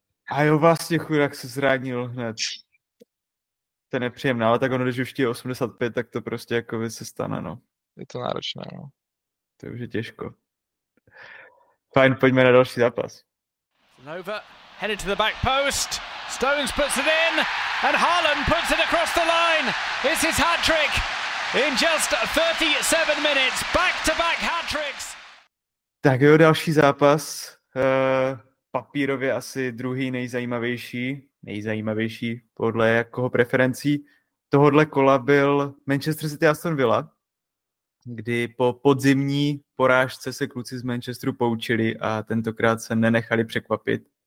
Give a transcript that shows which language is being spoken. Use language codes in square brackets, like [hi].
[cs] A jo, vlastně chudák se zranil hned. To je nepříjemné, ale tak ono, když už je 85, tak to prostě jako by se stane, no. Je to náročné, no. To už je těžko. Fajn, pojďme na další zápas. [en] Nova, headed to the back post. Stones puts it in and Haaland puts it across the line. This is hat-trick. In just 37 minutes, back-to-back hat-tricks. [cs] Tak jo, další zápas. Papírově asi druhý nejzajímavější podle jakého preferencí. Tohodle kola byl Manchester City Aston Villa, kdy po podzimní porážce se kluci z Manchesteru poučili a tentokrát se nenechali překvapit.